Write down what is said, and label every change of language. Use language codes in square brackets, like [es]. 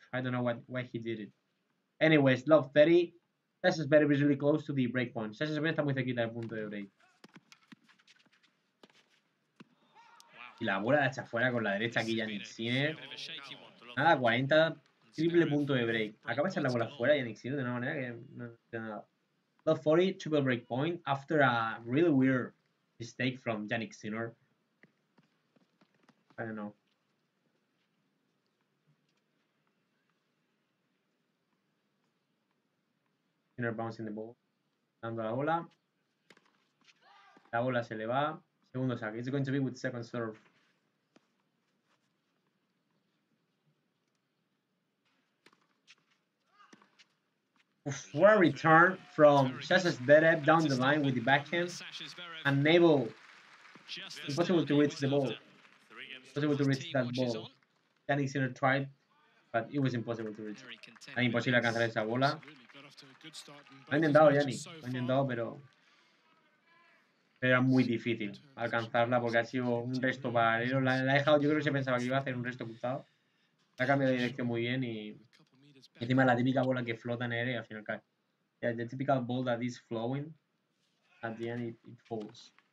[en] I don't know why he did it. Anyways, love 30. Sasha Zverev is really close to the break point. [es] Sasha Zverev está muy cerquita del punto de break. Y la bola la echa fuera con la derecha aquí Jannik Sinner. Nada, 40, triple punto de break. Acaba de echar la bola fuera Jannik Sinner de una manera que no entiendo nada. [en] Love 40, triple break point after a really weird mistake from Jannik Sinner. I don't know. Sinner bouncing the ball. [es] Dando la bola. La bola se le va. Segundo saque. [en] It's going to be with second serve. For a return from Sasha Zverev down the line with the backhand, unable, impossible to reach the ball, impossible to reach that ball. Jannik Sinner tried, but it was impossible to reach. [es] Era imposible alcanzar esa bola. Ha intentado Jannik, ha intentado, pero era muy difícil alcanzarla porque ha sido un resto paralelo. La ha dejado, yo creo que se pensaba que iba a hacer un resto cruzado. Ha cambiado de dirección muy bien y encima la típica bola que flota en el aire y al final cae. [en] Yeah, the typical ball that is flowing, at the end it falls.